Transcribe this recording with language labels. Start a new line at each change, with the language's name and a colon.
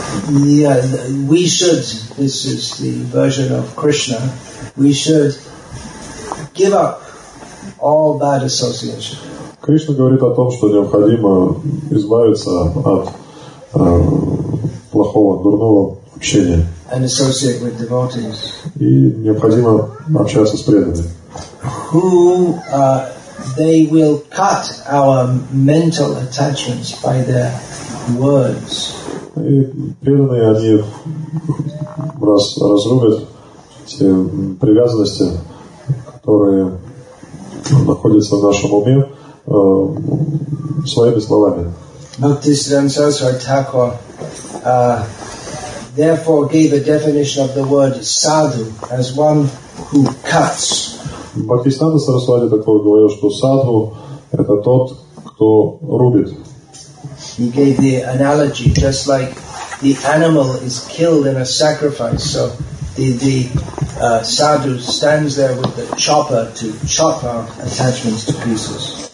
English: We should, this is the version of Krishna, we should give up all bad association.
Russian: Krishna говорит о том, что необходимо избавиться от плохого, дурного общения.
English: And associate with devotees.
Russian: И необходимо общаться с преданными.
English: Who they will cut our mental attachments by their words.
Russian: И преданные, они разрубят те привязанности, которые находятся в нашем уме, своими словами.
English: Bhaktisiddhanta Saraswati Thakur therefore gave a definition of the word sadhu as one who cuts.
Russian: Bhaktisiddhanta Saraswati Thakur говорил, что sadhu это тот, кто рубит.
English: He gave the analogy, just like the animal is killed in a sacrifice, so the sadhu stands there with the chopper to chop our attachments to pieces.